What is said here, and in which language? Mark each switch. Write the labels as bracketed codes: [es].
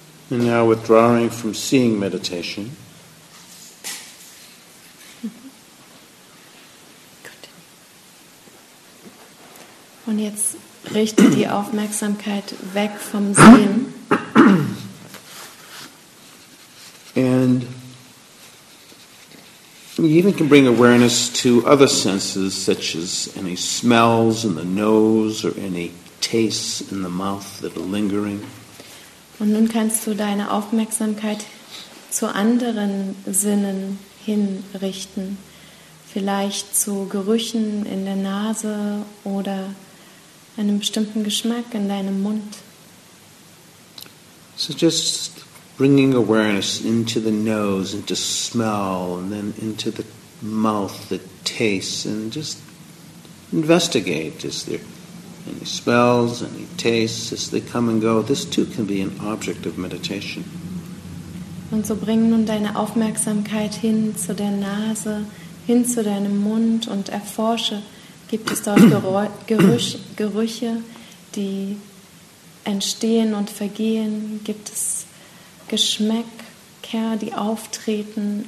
[en] And now withdrawing from seeing meditation. [de] Und jetzt richte die Aufmerksamkeit weg vom Sehen. [en] And you even can bring awareness to other senses, such as any smells in the nose or any tastes in the mouth that are lingering. [de] Und nun kannst du deine Aufmerksamkeit zu anderen Sinnen hinrichten, vielleicht zu Gerüchen in der Nase oder einem bestimmten Geschmack in deinem Mund. [en] So just bringing awareness into the nose, into smell, and then into the mouth, the taste, and just investigate. Is there any smells, any tastes as they come and go? This too can be an object of meditation. [de] Und so bring nun deine Aufmerksamkeit hin zu der Nase, hin zu deinem Mund und erforsche, gibt es dort Gerüche, die entstehen und vergehen? Gibt es Geschmäcker, die auftreten?